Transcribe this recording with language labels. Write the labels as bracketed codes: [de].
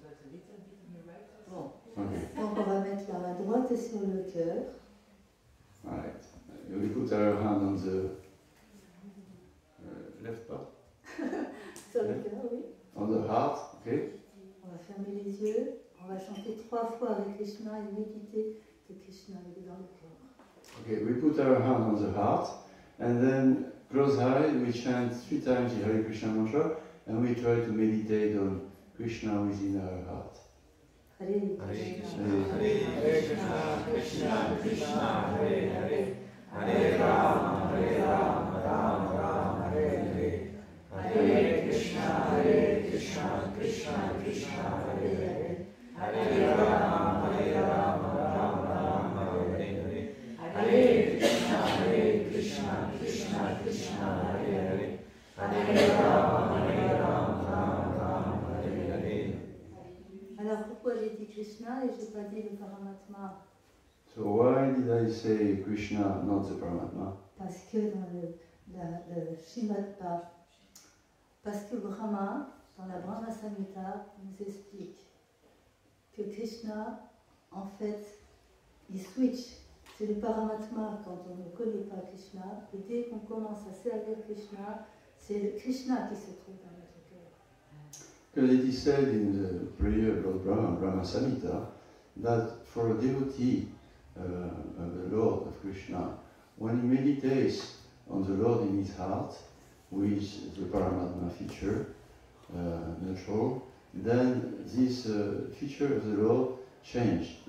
[fr] Donc on va mettre par la droite et sur le cœur. [en] Right. You will put our hand on the left part. [fr] Sur le cœur, oui. [en] On the heart, okay. [fr] On va fermer les yeux. On va chanter trois fois avec Krishna et méditer que Krishna est dans le cœur. [en] Okay, we put our hand on the heart and then close eyes, we chant three times the Hare Krishna mantra and we try to meditate on Krishna within our heart. [sa] Hare Krishna, Krishna, Krishna, Hare Hare, Hare Rama, Hare Rama, Rama Rama, Hare Hare. Hare Krishna, Hare Krishna, Krishna, Krishna, Hare Hare. Hare Rama, Hare Rama, Rama Rama, Hare Hare. Hare Krishna, Hare Krishna, Krishna, Krishna, Hare Hare. Hare Rama, Hare Rama, Rama Rama, Hare Hare. [fr] Alors pourquoi j'ai dit Krishna et j'ai pas dit le Paramatma? [en] So why did I say Krishna, not the Paramatma? [fr] Parce que dans le Srimad Brahma, dans la Brahma Samhita, nous explique que Krishna, en fait, il switch. C'est le Paramatma quand on ne connaît pas Krishna. Et dès qu'on commence à servir Krishna, c'est le Krishna qui se trouve dans notre cœur. [en] Because it is said in the prayer of Brahma, Brahma Samhita, that for a devotee, of the Lord of Krishna, when he meditates on the Lord in his heart, with the Paramatma feature, natural, then this feature of the Lord changes.